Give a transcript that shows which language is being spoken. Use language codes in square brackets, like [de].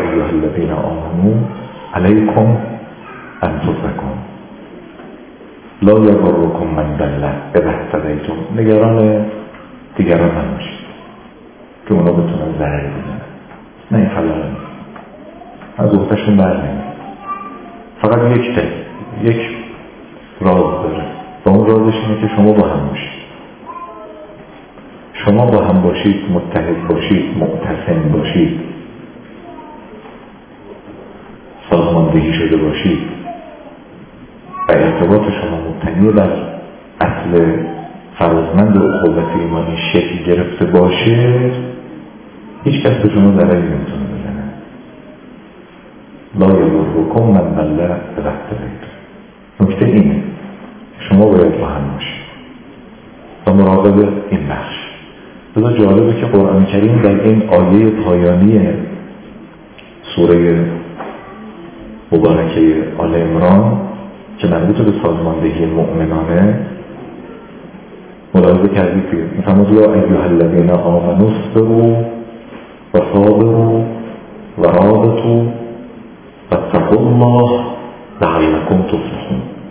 [ar] الذين آمنوا عليكم انفسكم لا يضركم من ضل اذا اهتديتم. [fa] نگران دیگران نباشید که اونا بتونن ضرر بزنن، نه این خلال نیست، از عهدهشون بر نمیاد. فقط یک دل، یک راز داره و اون رازش اینه که شما با هم باشید، شما با هم باشید، متحد باشید، معتصم باشید، سازماندهی شده باشید و ارتباط شما مبتنی بر اصل فرازمند و اخوت ایمانی شکل گرفته باشه، هیچ کس به شما ضرری نمیتونه بزنه. [ar] لا یضرکم من ضل اذا اهتدیتم. [fa] نکته اینه شما باید با هم باشید و مراقب این بخش. بذار، جالبه که قرآن کریم در این آیه پایانی سوره مبارکه آل عمران که مربوط به سازماندهی مؤمنانه، ملاحظه کردی که مثلا [ar] یا ایها الذین آمنوا اصبروا و صابروا و رابطوا و اتقوا الله لعلکم تفلحون.